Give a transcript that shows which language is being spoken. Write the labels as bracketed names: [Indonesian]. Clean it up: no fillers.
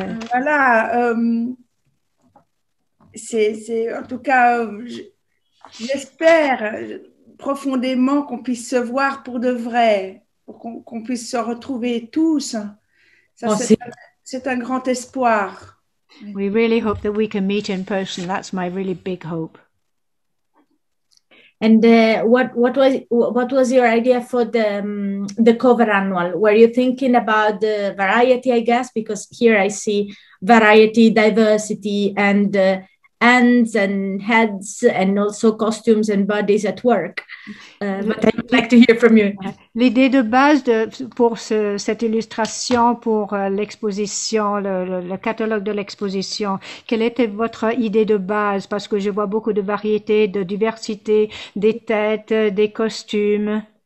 [French] Voilà, c'est en tout cas, j'espère profondément qu'on puisse se voir pour de vrai, qu'on puisse se retrouver tous. Ça, Aussi. c'est un grand espoir. [English] We really hope that we can meet in person. That's my really big hope. And what was your idea for the cover annual? Were you thinking about the variety, I guess, because here I see variety, diversity, and hands and heads, and also costumes and bodies at work. But I would like to hear from you. [French] L'idée de base pour cette illustration, pour l'exposition, le catalogue de l'exposition, quelle était votre idée de base? Parce que je vois beaucoup de variétés, de diversité, des têtes, des costumes.